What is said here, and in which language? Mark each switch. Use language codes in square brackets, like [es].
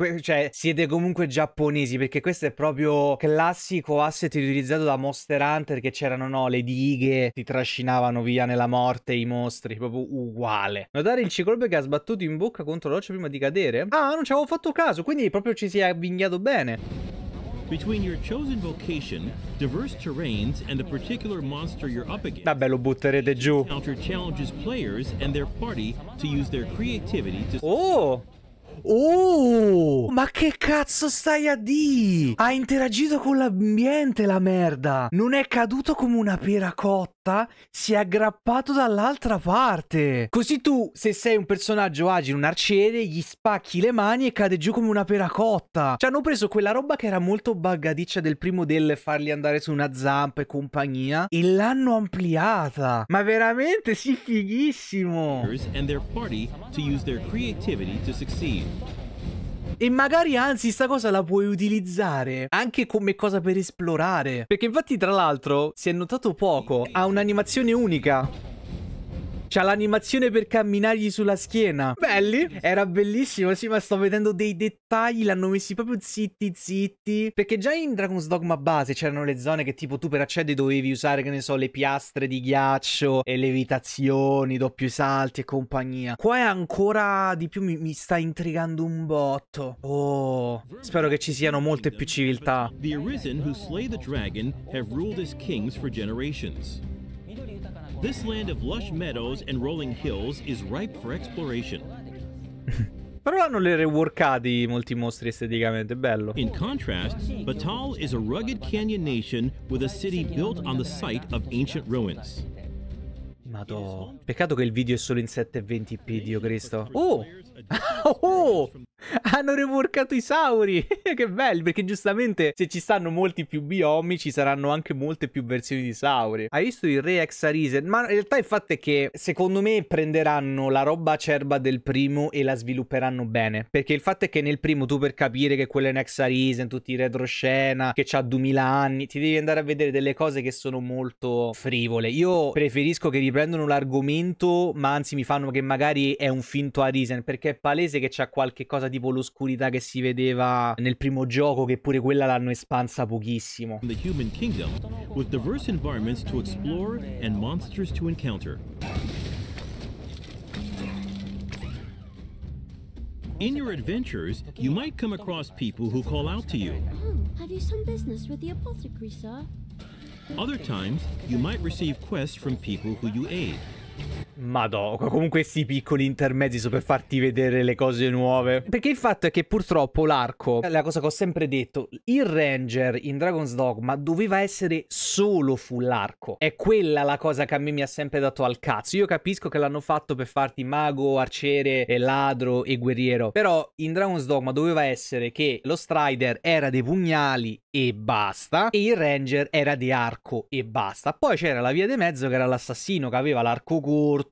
[it] Cioè, siete comunque giapponesi, perché questo è proprio classico asset riutilizzato da Monster Hunter, che c'erano, no, le dighe, ti trascinavano via nella morte i mostri, proprio uguale. Notare il ciclope che ha sbattuto in bocca contro l'occio prima di cadere? Ah, non ci avevo fatto caso, quindi proprio ci si è avvinghiato bene. [en] Between your chosen vocation, diverse terrains, and the particular monster you're up against. [it] Vabbè, lo butterete giù. [en] Counter challenges players and their party to use their creativity to... [it] Oh! Oh! Ma che cazzo stai a di? Ha interagito con l'ambiente, la merda. Non è caduto come una pera cotta, si è aggrappato dall'altra parte. Così tu, se sei un personaggio agile, un arciere, gli spacchi le mani e cade giù come una pera cotta. Ci hanno preso quella roba che era molto buggadiccia del primo, del fargli andare su una zampa e compagnia, e l'hanno ampliata. Ma veramente, sì, fighissimo. [en] And their party to use their creativity to succeed. [it] E magari, anzi, sta cosa la puoi utilizzare anche come cosa per esplorare. Perché infatti, tra l'altro, si è notato poco, ha un'animazione unica. C'ha l'animazione per camminargli sulla schiena. Belli. Era bellissimo. Sì, ma sto vedendo dei dettagli. L'hanno messi proprio zitti zitti. Perché già in Dragon's Dogma base c'erano le zone che tipo tu per accedere dovevi usare, che ne so, le piastre di ghiaccio e levitazioni, doppi salti e compagnia. Qua è ancora di più. Mi sta intrigando un botto. Oh, spero che ci siano molte più civiltà. [en] The Arisen who slay the dragon have ruled as kings for generations. This land of lush meadows and rolling hills is ripe for exploration. [it] Però hanno le reworkati molti mostri esteticamente, bello. [en] In contrast, Batal is a rugged canyon nation with a city built on the site of ancient ruins. [it] Madò. Peccato che il video è solo in 720p, Dio Cristo. Oh! Oh! Hanno reworkato i sauri. Che bello, perché giustamente se ci stanno molti più biomi, ci saranno anche molte più versioni di sauri. Hai visto il re ex Arisen? Ma in realtà il fatto è che secondo me prenderanno la roba acerba del primo e la svilupperanno bene. Perché il fatto è che nel primo, tu per capire che quello è un ex Arisen, tutti i retroscena, che c'ha 2000 anni, ti devi andare a vedere delle cose che sono molto frivole. Io preferisco che riprendano l'argomento, ma anzi mi fanno che magari è un finto Arisen, perché è palese che c'ha qualche cosa tipo l'oscurità che si vedeva nel primo gioco, che pure quella l'hanno espansa pochissimo. [en] The human kingdom, with diverse environments to explore and monsters to encounter. In your adventures, you might come across people who call out to you. Have you some business with the apothecary, sir? Other times, you might receive quests from people who you aid. [it] Madò, comunque questi piccoli intermezzi sono per farti vedere le cose nuove. Perché il fatto è che purtroppo l'arco, la cosa che ho sempre detto, il ranger in Dragon's Dogma doveva essere solo full arco. È quella la cosa che a me mi ha sempre dato al cazzo. Io capisco che l'hanno fatto per farti mago, arciere e ladro e guerriero, però in Dragon's Dogma doveva essere che lo strider era dei pugnali e basta, e il ranger era di arco e basta. Poi c'era la via di mezzo, che era l'assassino, che aveva l'arco corto,